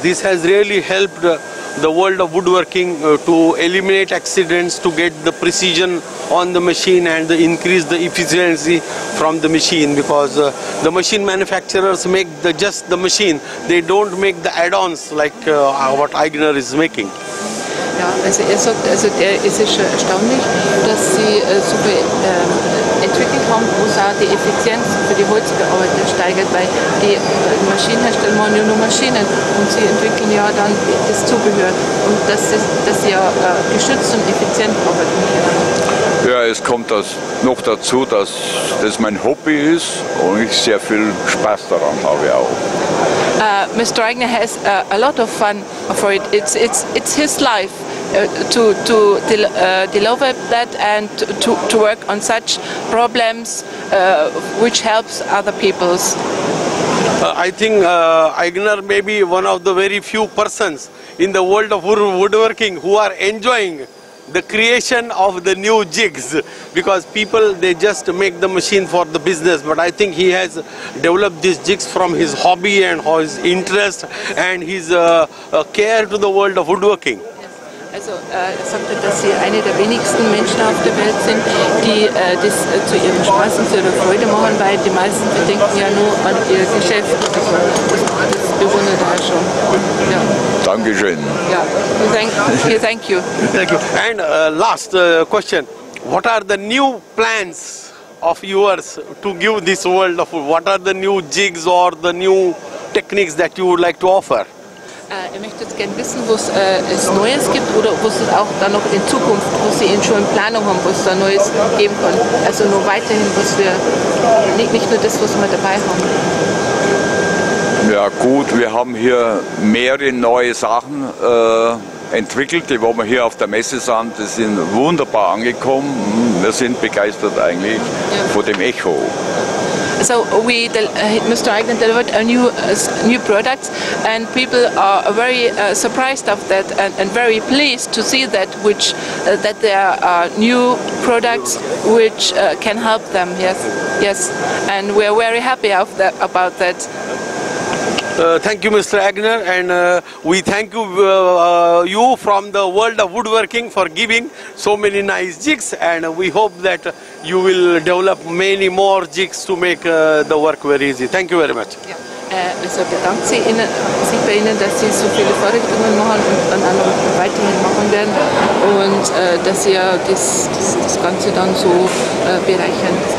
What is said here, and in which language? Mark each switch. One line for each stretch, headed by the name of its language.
English: This has really helped the world of woodworking to eliminate accidents, to get the precision on the machine, and increase the efficiency from the machine, because the machine manufacturers make just the machine. They don't make the add-ons like what Aigner is making.
German: Ja, also er sagt, also der, es ist schon erstaunlich, dass sie super entwickelt haben, wo es auch die Effizienz für die Holzbearbeiter steigert, weil die Maschinenhersteller machen ja nur Maschinen, und sie entwickeln ja dann das Zubehör, und dass sie ja geschützt und effizient arbeiten können. Ja, es kommt noch dazu, dass das mein Hobby ist und ich sehr viel Spaß daran habe auch.
English: Mr. Aigner has a lot of fun for it. It's his life to develop that and to work on such problems which helps other peoples. I think Aigner may be one of the very few persons in the world of woodworking who are enjoying the creation of the new jigs, because people, they just make the machine for the business, but I think he has developed these jigs from his hobby and his interest and his care to the world of woodworking.
German: Also sagt er, dass sie eine der wenigsten Menschen auf der Welt sind, die das zu ihrem Spaß und zu ihrer Freude machen, weil die meisten bedenken ja nur an ihr Geschäft. Das bewundert er schon. Ja. Dankeschön. Ja,
English: thank you. Thank you. And last question. What are the new plans of yours to give this world of food? What are the new jigs or the new techniques that you would like to offer?
German: Ich möchte jetzt gerne wissen, wo es Neues gibt, oder wo es auch dann noch in Zukunft, wo Sie schon in Planung haben, wo es da Neues geben kann. Also nur weiterhin, was wir, nicht nur das, was wir dabei haben. Ja gut, wir haben hier mehrere neue Sachen entwickelt, die, wo wir hier auf der Messe sind, die sind wunderbar angekommen. Wir sind begeistert eigentlich von dem Echo.
English: So we, Mr. Aigner, delivered a new product, and people are very surprised of that, and very pleased to see that that there are new products which can help them. Yes, and we are very happy about that. Thank you, Mr. Aigner, and we thank you, you from the world of woodworking, for giving so many nice jigs, and we hope that you will develop many more jigs to make the work very easy. Thank you very much. Yeah.
German: Also bedankt sich, sich bei Ihnen, dass Sie so viele Vorrichtungen machen und dann auch weiterhin machen werden und dass Sie das Ganze dann so bereichern.